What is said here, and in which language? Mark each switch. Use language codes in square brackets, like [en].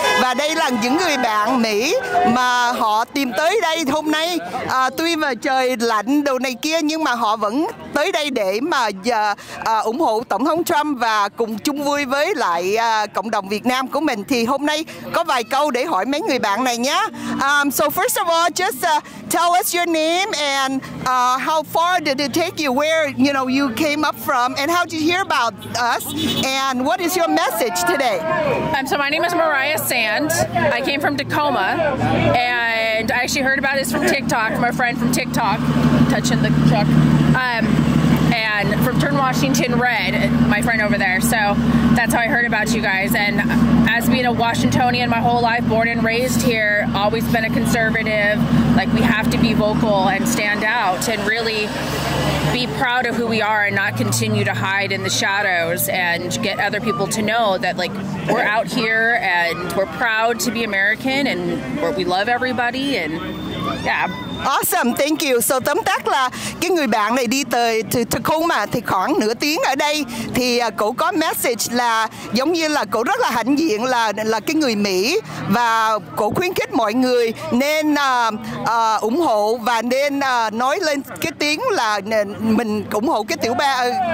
[vi] Và đây là những người bạn Mỹ mà họ tìm tới đây hôm nay. Tuy mà trời lạnh đồ này kia nhưng mà họ vẫn tới đây để mà ủng hộ Tổng thống Trump và cùng chung vui với lại cộng đồng Việt Nam của mình. Thì hôm nay có vài câu để hỏi mấy người bạn này nhé. [en] So first of all, just tell us your name and how far did it take you, where you know you came up from, and how did you hear about us, and what is your message today? So my name is Mariah Sand. I came from Tacoma, and I actually heard about this from TikTok, my friend from TikTok, touching the truck, and from Turn Washington Red, my friend over there. So that's how I heard about you guys. And as being a Washingtonian my whole life, born and raised here, always been a conservative, like we have to be vocal and stand out and really be proud of who we are and not continue to hide in the shadows and get other people to know that like we're out here and we're proud to be American and we love everybody and yeah. Awesome, thank you. [vi] So tóm tắt là cái người bạn này đi tới Tacoma thì khoảng nửa tiếng ở đây, thì cậu có message là giống như là cậu rất là hãnh diện là cái người Mỹ, và cậu khuyến khích mọi người nên ủng hộ và nên nói lên cái tiếng là mình ủng hộ cái tiểu bang,